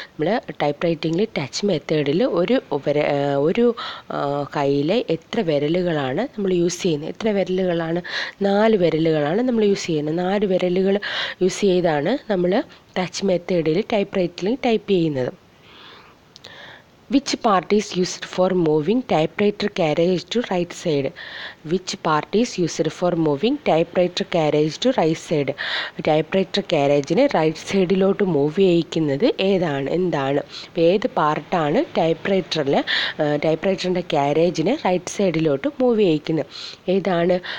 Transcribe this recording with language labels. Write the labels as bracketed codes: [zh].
[ml] നമ്മൾ type റൈറ്റിങ്ങിൽ touch മെത്തേഡിൽ ഒരു കയ്യിലെ എത്ര വിരലുകളാണ് നമ്മൾ യൂസ് ചെയ്യുന്നത്? എത്ര വിരലുകളാണ്? നാല് വിരലുകളാണ് നമ്മൾ യൂസ് ചെയ്യുന്നത്. നാല് വിരലുകൾ യൂസ് ചെയ്താണ് നമ്മൾ ടച്ച് മെത്തേഡിൽ ടൈപ്പ് റൈറ്റിംഗ് ടൈപ്പ് ചെയ്യുന്നത്. [en] Which part is used for moving typewriter carriage to right side? Which part is used for moving typewriter carriage to right side? [ml] Typewriter carriage-നെ right സൈഡിലോട്ട് മൂവ് ചെയ്യിക്കുന്നത് എന്താണ്? ഏത് പാർട്ടാണ് ടൈപ്പ് റൈറ്ററിൻ്റെ ക്യാരേജിനെ റൈറ്റ് സൈഡിലോട്ട് move ചെയ്യിക്കുന്നത്? ഏതാണ്?